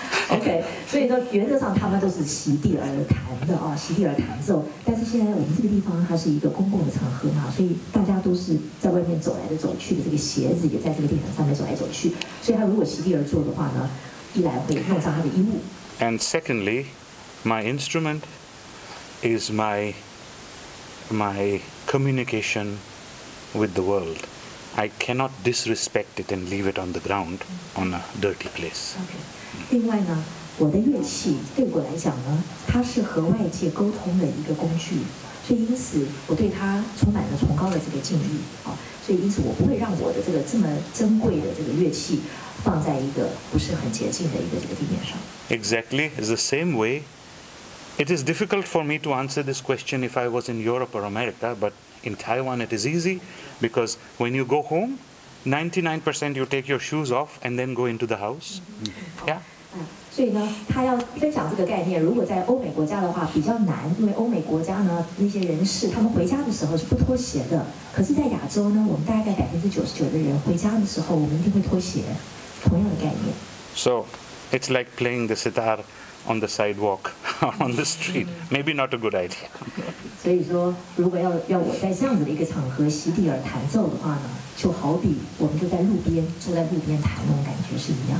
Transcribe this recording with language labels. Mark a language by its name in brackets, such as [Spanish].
[Chinese] OK， 所以说原则上他们都是席地而弹的席地而弹奏。但是现在我们这个地方它是一个公共的场合嘛，所以大家都是在外面走来的走去的，这个鞋子也在这个地毯上面走来走去。所以他如果席地而坐的话呢，一来会弄脏他的衣物。 [English] And secondly, my instrument is my communication with the world. I cannot disrespect it and leave it on the ground on a dirty place. Okay. [Chinese] 另外呢，我的乐器对我来讲呢，它是和外界沟通的一个工具，所以因此我对它充满了崇高的这个敬意啊。所以因此我不会让我的这个这么珍贵的这个乐器放在一个不是很洁净的一个这个地面上。 [English] Exactly. It's the same way. It is difficult for me to answer this question if I was in Europe or America, but in Taiwan it is easy, because when you go home, 99% you take your shoes off and then go into the house. Mm-hmm. Yeah. [Chinese] 所以呢，他要分享这个概念。如果在欧美国家的话，比较难，因为欧美国家呢，那些人士他们回家的时候是不脱鞋的。可是，在亚洲呢，我们大概99%的人回家的时候，我们一定会脱鞋。同样的概念。 [English] So. It's like playing the sitar on the sidewalk or on the street. Maybe not a good idea. [Chinese] 所以说，如果要我在这样子的一个场合席地而弹奏的话呢，就好比我们就在路边坐在路边弹那种感觉是一样